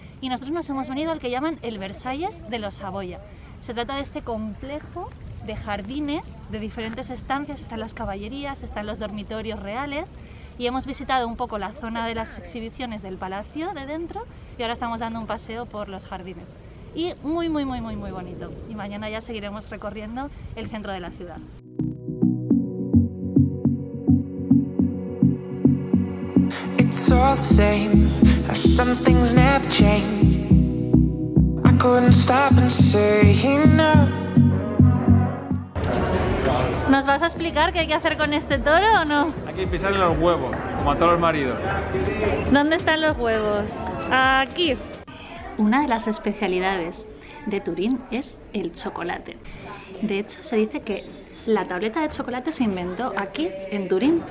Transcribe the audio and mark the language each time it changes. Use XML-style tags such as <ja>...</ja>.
<es>Y nosotros nos hemos venido al que llaman el Versalles de los Saboya. Se trata de este complejo de jardines, de diferentes estancias, están las caballerías, están los dormitorios reales, y hemos visitado un poco la zona de las exhibiciones del palacio de dentro, y ahora estamos dando un paseo por los jardines. Y muy, muy, muy, muy, muy bonito. Y mañana ya seguiremos recorriendo el centro de la ciudad.</es> <en>It's all the same, some things never change. I couldn't stop and say no.</en> <es>¿Nos vas a explicar qué hay que hacer con este toro o no? Hay que pisarle los huevos, como a todos los maridos. ¿Dónde están los huevos? Aquí. Una de las especialidades de Turín es el chocolate. De hecho, se dice que la tableta de chocolate se inventó aquí, en Turín.</es>